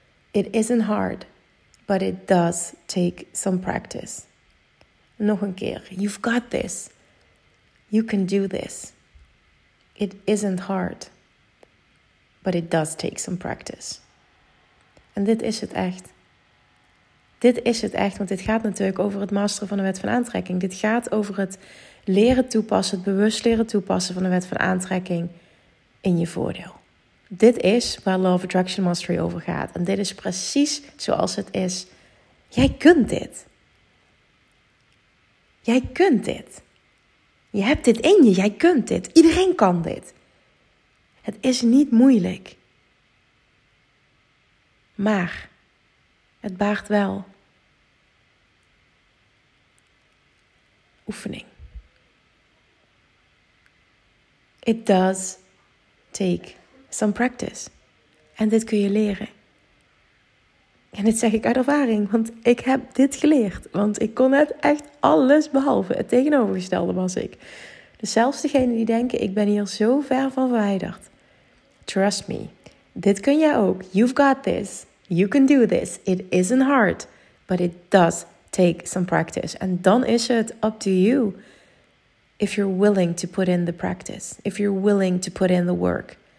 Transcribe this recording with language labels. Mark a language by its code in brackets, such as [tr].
[en] It isn't hard, but it does take some practice. [nl] Nog een keer. [en] You've got this. You can do this. It isn't hard, but it does take some practice. [nl] En dit is het echt. Dit is het echt, want dit gaat natuurlijk over het masteren van de wet van aantrekking. Dit gaat over het leren toepassen, het bewust leren toepassen van de wet van aantrekking in je voordeel. Dit is waar Law of Attraction Mastery over gaat. En dit is precies zoals het is. Jij kunt dit. Jij kunt dit. Je hebt dit in je, jij kunt dit. Iedereen kan dit. Het is niet moeilijk. Maar het baart wel oefening. [en] It does take some practice. [nl] En dit kun je leren. En dit zeg ik uit ervaring, want ik heb dit geleerd. Want ik kon het echt alles behalve. Het tegenovergestelde was ik. Dus zelfs degene die denken, ik ben hier zo ver van verwijderd. [en] Trust me, [nl] dit kun jij ook. [en] You've got this. You can do this. It isn't hard, but it does take some practice. [nl] En dan is het [en] up to you if you're willing to put in the practice. If you're willing to put in the work.